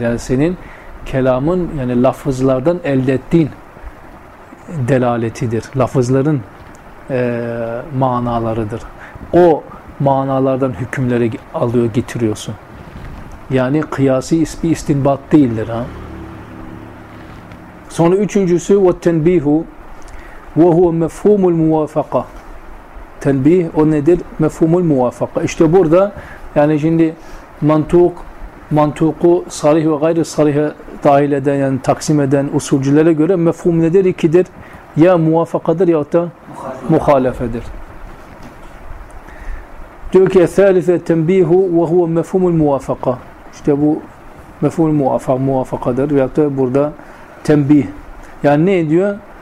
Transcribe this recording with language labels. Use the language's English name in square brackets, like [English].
[Turkish] Yani senin kelamın, yani lafızlardan elde ettiğin delaletidir. Lafızların manalarıdır. O manalardan hükümleri alıyor, getiriyorsun. Yani kıyasi bir istinbat değildir. Ha. [Arabic] Sonra üçüncüsü وَالْتَنْبِيهُ وَهُوَ مَفْهُومُ الْمُوَافَقَةِ. [Turkish] Tenbih o nedir? مَفْهُومُ الْمُوَافَقَةِ. İşte burada yani şimdi mantuk, mantuku sarih ve gayri sarihe dahil eden, yani taksim eden usulcülere göre mefhum nedir? İkidir. Ya muvafakadır ya da muhalefedir. [Arabic] Diyor ki ثَالِثَ تَنْبِيهُ وَهُوَ مَفْهُومُ الْمُوَافَقَةِ. [Turkish] İşte bu مَفْهُومُ الْمُوَافَقَةِ, muvafakadır. Veyahut da burada tenbih. Yani ne diyor?